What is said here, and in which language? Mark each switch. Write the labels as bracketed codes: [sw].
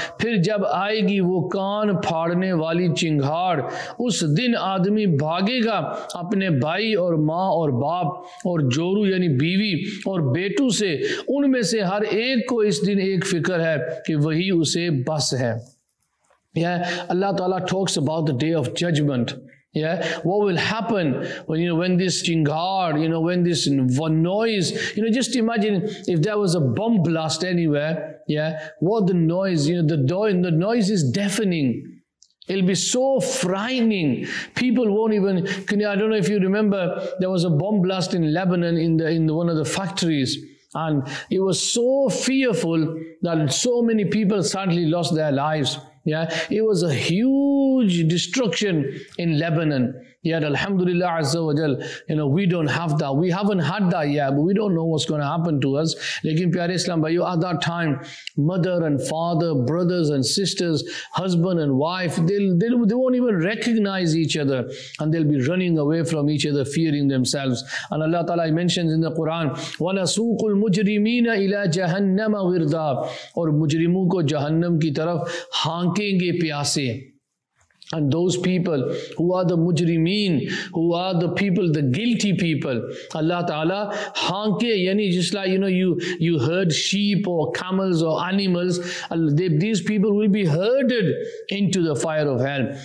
[ur] پھر جب آئے گی وہ کان پھاڑنے والی چنگھاڑ, اس دن آدمی بھاگے گا اپنے بھائی اور ماں اور باپ اور جورو یعنی بیوی اور بیٹو سے, ان میں سے ہر ایک کو اس دن ایک فکر ہے کہ وہی اسے بس ہے. [en] یہ اللہ تعالیٰ talks about the day of judgment. Yeah, what will happen when, you know, when this chingar, you know, when this noise, you know, just imagine if there was a bomb blast anywhere, yeah, what the noise, you know, the noise is deafening. It'll be so frightening. People won't even, I don't know if you remember, there was a bomb blast in Lebanon in the one of the factories. And it was so fearful that so many people sadly lost their lives. Yeah, it was a huge destruction in Lebanon. Yet Alhamdulillah Azza wa Jal, you know, we don't have that. We haven't had that yet, but we don't know what's going to happen to us. [ur] Lekin Pyare Islam Bhaiyo, [en] at that time, mother and father, brothers and sisters, husband and wife, they won't even recognize each other. And they'll be running away from each other, fearing themselves. And Allah Ta'ala mentions in the Quran, [ar] وَنَسُوقُ الْمُجْرِمِينَ إِلَىٰ جَهَنَّمَ وِرْدَىٰ. [ur] اور مجرموں کو جہنم کی طرف ہانکیں گے پیاسے. [en] And those people who are the mujrimeen, who are the people, the guilty people, Allah Ta'ala, hanke, yani just like, you know, you herd sheep or camels or animals, these people will be herded into the fire of hell.